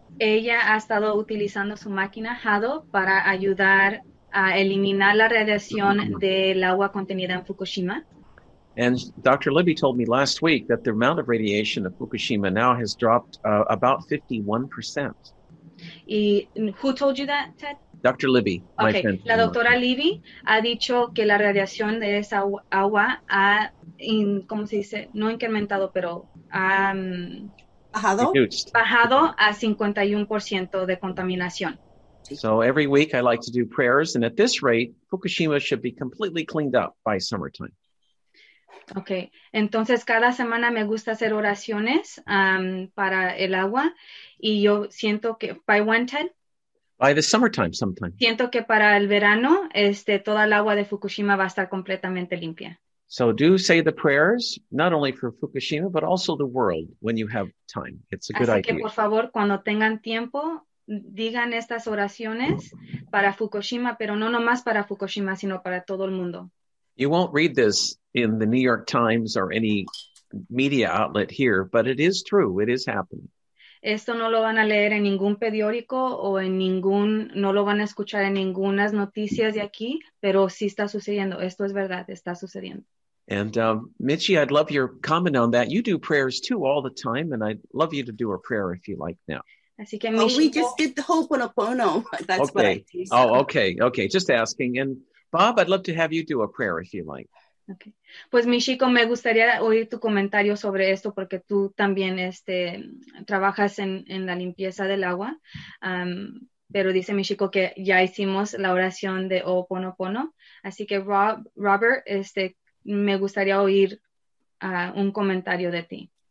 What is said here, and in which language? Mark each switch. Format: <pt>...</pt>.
<es>Ella ha estado utilizando su máquina Haru para ayudar a eliminar la radiación del agua contenida en Fukushima.</es> <en>And Dr. Libby told me last week that the amount of radiation of Fukushima now has dropped about 51%. Y who told you that, Ted? Dr. Libby, okay. My friend.</en> <es>La doctora Libby ha dicho que la radiación de esa agua ha, ¿cómo se dice? No incrementado, pero bajado a 51% de contaminación.</es> <en>So every week I like to do prayers, and at this rate, Fukushima should be completely cleaned up by summertime.</en> <es>Okay, entonces cada semana me gusta hacer oraciones para el agua, y yo siento que, by when, Ted?</es> <en>By the summertime, sometime.</en> <es>Siento que para el verano, toda el agua de Fukushima va a estar completamente limpia.</es> <en>So do say the prayers, not only for Fukushima, but also the world, when you have time. It's a good idea.</en> <es>Así que, por favor, cuando tengan tiempo, digan estas oraciones para Fukushima, pero no nomás para Fukushima, sino para todo el mundo.</es> <en>You won't read this in the New York Times or any media outlet here, but it is true. It is happening.</en> <es>Esto no lo van a leer en ningún periódico o en ningún, no lo van a escuchar en ninguna noticias de aquí, pero sí está sucediendo. Esto es verdad, está sucediendo.</es> <en>And Michi, I'd love your comment on that. You do prayers too all the time, and I'd love you to do a prayer if you like now.</en> <es>Así que, Michi,</es> <en>we just did the Ho'oponopono. That's okay. What I do. So. Oh, okay. Just asking. And Bob, I'd love to have you do a prayer if you like. Okay.</en> <es>Pues, Michiko, me gustaría oír tu comentario sobre esto porque tú también trabajas en la limpieza del agua. Pero dice Michiko que ya hicimos la oración de Ho'oponopono. Así que, Robert, me gustaría oír un comentario de ti.</es>